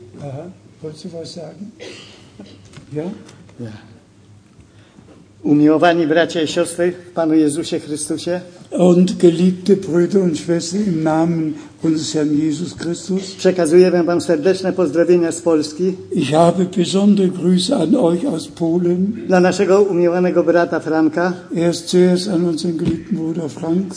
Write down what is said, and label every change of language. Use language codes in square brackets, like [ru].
[de] Aha, wolltest du was sagen? Ja? Ja. [pl] Umiłowani bracia i siostry w Panu Jezusie Chrystusie. [de] Und geliebte Brüder und Schwestern im Namen unseres Herrn Jesus Christus. [pl] Przekazuję wam serdeczne pozdrowienia z Polski. [de] Ich habe besondere Grüße an euch aus Polen. [pl] Dla naszego umiłowanego brata Franka. [de] Erst zuerst an unseren geliebten Bruder Frank.